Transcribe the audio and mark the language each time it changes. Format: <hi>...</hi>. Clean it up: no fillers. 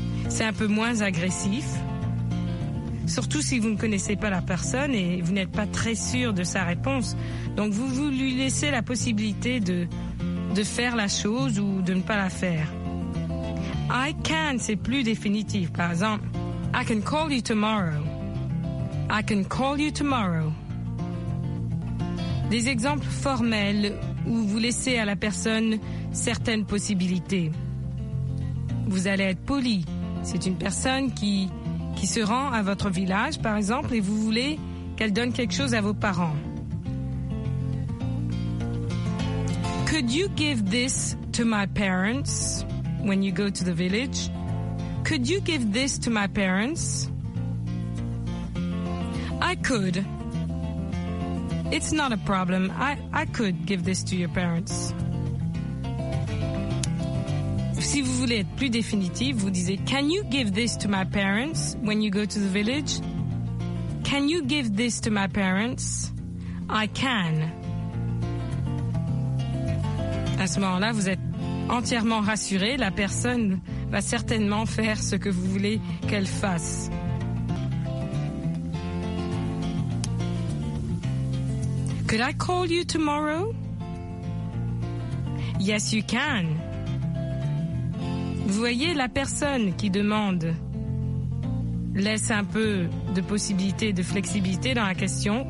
<fr>C'est un peu moins agressif, surtout si vous ne connaissez pas la personne et vous n'êtes pas très sûr de sa réponse. Donc, vous lui laissez la possibilité de faire la chose ou de ne pas la faire. I can, c'est plus définitif. Par exemple,</fr> <en>I can call you tomorrow. I can call you tomorrow.</en> <fr>Des exemples formels où vous laissez à la personne certaines possibilités. Vous allez être poli. C'est une personne qui se rend à votre village, par exemple, et vous voulez qu'elle donne quelque chose à vos parents.</fr> <en>Could you give this to my parents when you go to the village? Could you give this to my parents? I could. It's not a problem. I could give this to your parents.</en> <fr>Si vous voulez être plus définitif, vous disiez «</fr> <en>Can you give this to my parents when you go to the village? Can you give this to my parents? I can.</en> <fr>» À ce moment-là, vous êtes entièrement rassuré. La personne va certainement faire ce que vous voulez qu'elle fasse. «</fr> <en>Could I call you tomorrow? » « Yes, you can.</en> <fr>» Vous voyez, la personne qui demande laisse un peu de possibilité, de flexibilité dans la question.</fr>